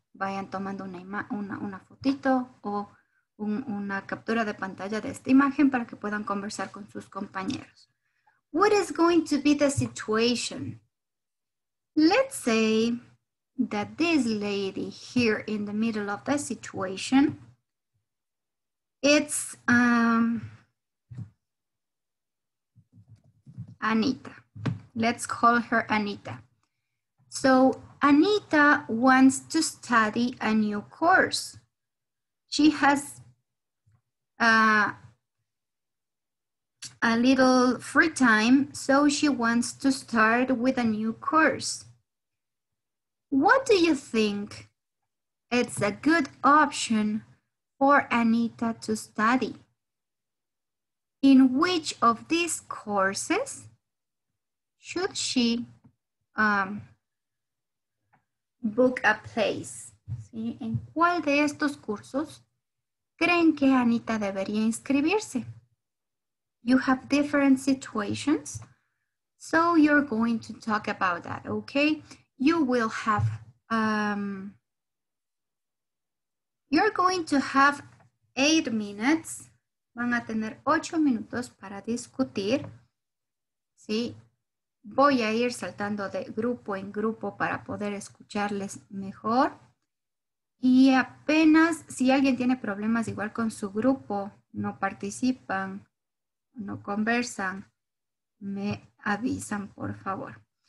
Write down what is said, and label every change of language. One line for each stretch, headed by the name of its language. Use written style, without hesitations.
Spanish: Vayan tomando una fotito o una captura de pantalla de esta imagen para que puedan conversar con sus compañeros.
English: What is going to be the situation? Let's say that this lady here in the middle of the situation, it's Anita. Let's call her Anita. So Anita wants to study a new course. She has a little free time, so she wants to start with a new course. What do you think it's a good option for Anita to study? In which of these courses should she book a place?
Spanish: ¿Sí? ¿En cuál de estos cursos creen que Anita debería inscribirse?
English: You have different situations, so you're going to talk about that, okay? You will have, you're going to have 8 minutes.
Spanish: Van a tener 8 minutos para discutir, ¿sí? Voy a ir saltando de grupo en grupo para poder escucharles mejor. Y apenas, si alguien tiene problemas igual con su grupo, no participan, no conversan, me avisan, por favor.